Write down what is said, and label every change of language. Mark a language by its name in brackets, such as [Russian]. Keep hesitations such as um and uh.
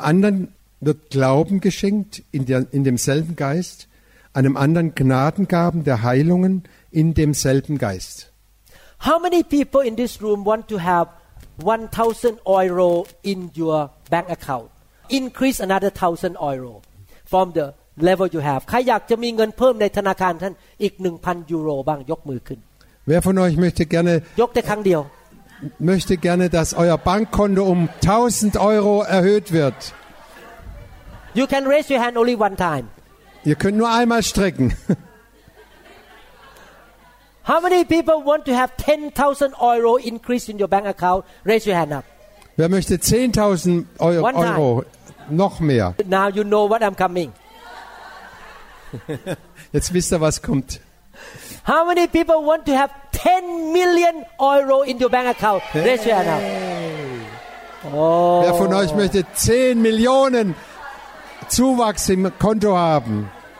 [German] anderen wird Glauben geschenkt in, der, in demselben Geist, einem anderen Gnadengaben der Heilungen in demselben Geist. [English] How many people in this room want to have 1,000 euro in your bank account? Increase another 1,000 euro from the level you have. [Thai] ใครอยากจะมีเงินเพิ่มในธนาคารท่านอีก 1,000ยูโรบ้างยกมือขึ้น [German] Wer von euch möchte gerne [Thai] ยกแต่ครั้งเดียว [German] möchte gerne dass euer Bankkonto um 1,000 euro erhöht wird [English] You can raise your hand only one time. [German] Ihr könnt nur einmal strecken. [English] How many people want 10,000 euro increase in your bank account? Raise your hand up. [German] Wer möchte 10,000 euro, euro noch mehr? [English] Now you know what I'm coming. [German] Jetzt wisst ihr, was kommt. [English] How many people want to have 10 million euro in your bank account? Raise your hand up. Hey. Oh. [German] Wer von euch möchte 10 Millionen Zuwachs im Konto haben?